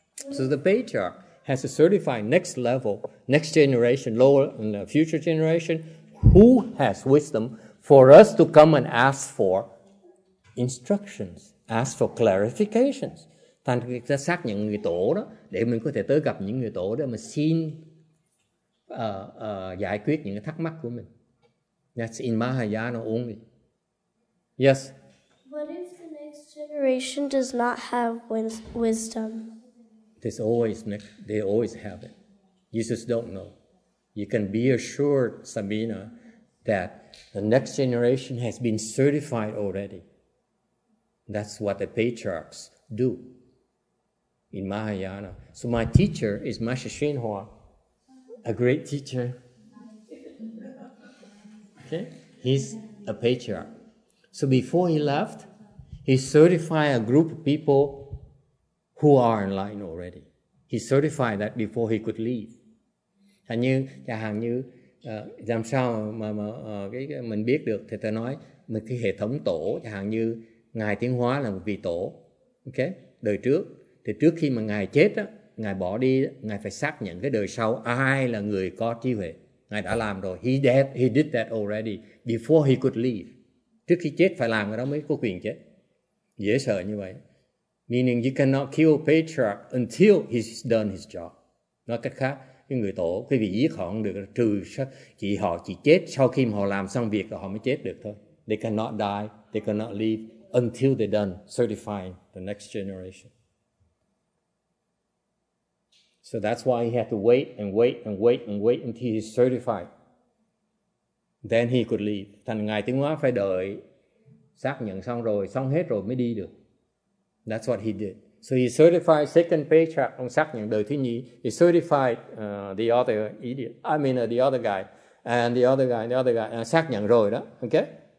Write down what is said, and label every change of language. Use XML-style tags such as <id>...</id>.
<en>So the patriarch has to certify next level, next generation, lower and future generation, who has wisdom for us to come and ask for instructions, ask for clarifications.</en> <vi>Thành ra xác nhận người tổ đó, để mình có thể tới gặp những người tổ đó mà xin giải quyết những cái thắc mắc của mình.</vi> <en>That's in Mahayana only. Yes? What if the next generation does not have wisdom? There's always next, they always have it. You just don't know. You can be assured, Sabina, that the next generation has been certified already. That's what the patriarchs do. In Mahayana. So my teacher is Master Xuanhua, a great teacher. Okay? He's a patriarch. So before he left, he certified a group of people who are enlightened already. He certified that before he could leave.</en> <vi>Hình như, chẳng hạn như, làm sao mình biết được, thì ta nói, mình cái hệ thống tổ, chẳng hạn như, Ngài Tiến Hóa là một vị tổ, okay? Đời trước. Thì trước khi mà Ngài chết á, Ngài bỏ đi, Ngài phải xác nhận cái đời sau ai là người có trí huệ. Ngài đã làm rồi.</vi> <en>He did that already before he could leave.</en> <vi>Trước khi chết phải làm cái đó mới có quyền chết. Dễ sợ như vậy.</vi> <en>Meaning you cannot kill a patriarch until he's done his job.</en> <vi>Nói cách khác, cái người tổ, cái vị giết họ không được, trừ chỉ họ chỉ chết sau khi mà họ làm xong việc là họ mới chết được thôi.</vi> <en>They cannot die, they cannot leave until they're done certifying the next generation. So that's why he had to wait and wait and wait and wait until he's certified. Then he could leave.</en> <vi>Thành Ngài Tiến Hóa phải đợi xác nhận xong rồi, xong hết rồi mới đi được.</vi> <en>That's what he did. So he certified second patriarch,</en> <vi>ông xác nhận đời thứ nhì.</vi> <en>He certified the other guy, and the other guy,</en> <vi>xác nhận rồi đó,</vi> <en>okay?</en>